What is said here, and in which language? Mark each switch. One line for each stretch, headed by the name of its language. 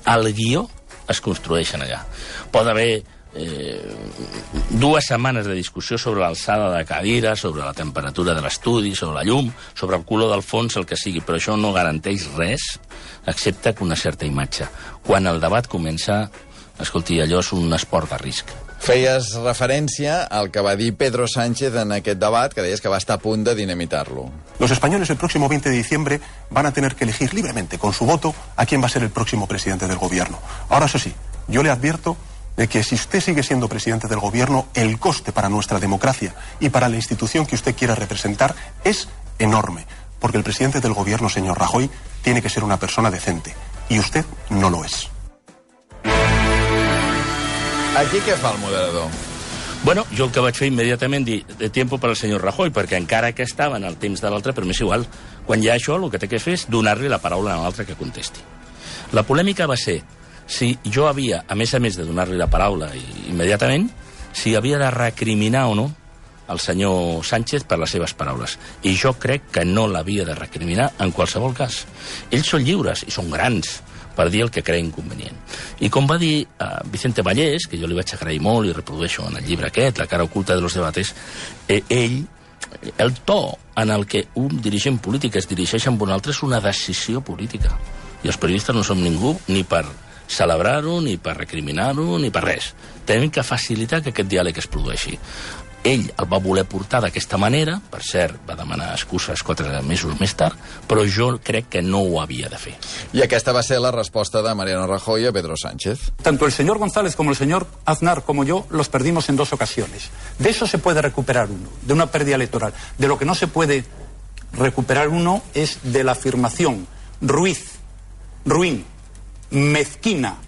Catalan: El guió es construeix allà. Pot haver dues setmanes de discussió sobre l'alçada de cadira, sobre la temperatura de l'estudi, sobre la llum, sobre el color del fons, el que sigui, però això no garanteix res, excepte que una certa imatge. Quan el debat comença, escolti, allò és un esport de risc. Feies referència al que va dir Pedro Sánchez en aquest debat, que deies que va estar a punt de dinamitar-lo.
Spanish: Los españoles el próximo 20 de diciembre van a tener que elegir libremente, con su voto, a quién va a ser el próximo presidente del gobierno. Ahora, eso sí, yo le advierto de que si usted sigue siendo presidente del gobierno, el coste para nuestra democracia y para la institución que usted quiera representar es enorme, porque el presidente del gobierno, señor Rajoy, tiene que ser una persona decente, y usted no lo es.
Catalan: Aquí què fa el moderador? Bueno, jo el que vaig fer immediatament, dir
Spanish: de tiempo para el señor Rajoy,
Catalan: perquè encara que estava en el temps de l'altre, però m'és igual, quan hi ha això, el que té que fer és donar-li la paraula a l'altre que contesti. La polèmica va ser si jo havia, a més de donar-li la paraula immediatament, si havia de recriminar o no el senyor Sánchez per les seves paraules. I jo crec que no l'havia de recriminar en qualsevol cas. Ells són lliures i són grans per dir el que creen convenient. I com va dir Vicente Vallès, que jo li vaig agrair molt i reprodueixo en el llibre aquest, La cara oculta de los debates, ell, el to en el que un dirigent polític es dirigeix amb un altre és una decisió política. I els periodistes no som ningú ni per celebrar-ho, ni per recriminar-ho, ni per res. Tenim que facilitar que aquest diàleg es produeixi. Ell el va voler portar d'aquesta manera, per cert, va demanar excuses 4 mesos més tard, però jo crec que no ho havia de fer. I aquesta va ser la resposta de Mariano Rajoy a Pedro Sánchez.
Spanish: Tanto el señor González como el señor Aznar como yo los perdimos en 2 ocasiones. De eso se puede recuperar uno, de una pérdida electoral. De lo que no se puede recuperar uno es de la afirmación Ruiz, ruin, mezquina,